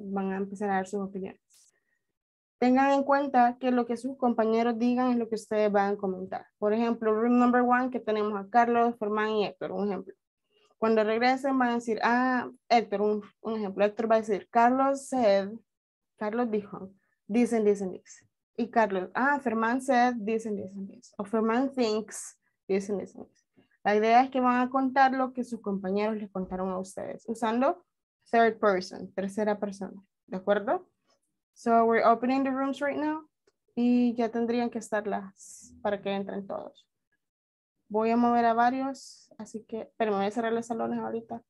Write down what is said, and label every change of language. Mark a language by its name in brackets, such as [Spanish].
[Spanish] Van a empezar a dar sus opiniones. Tengan en cuenta que lo que sus compañeros digan es lo que ustedes van a comentar. Por ejemplo, room number one, que tenemos a Carlos, Germán y Héctor, un ejemplo. Cuando regresen van a decir, ah, Héctor, un ejemplo. Héctor va a decir, [English] Carlos said, [Spanish] Carlos dijo, dicen. Y Carlos, ah, Fermán [English] said this and this and this. [Spanish] O Fermán [English] thinks this and this and this. [Spanish] La idea es que van a contar lo que sus compañeros les contaron a ustedes, usando [English] third person, [Spanish] tercera persona. ¿De acuerdo? [English] So we're opening the rooms right now. [Spanish] Y ya tendrían que estar las, para que entren todos. Voy a mover a varios, así que, pero me voy a cerrar los salones ahorita.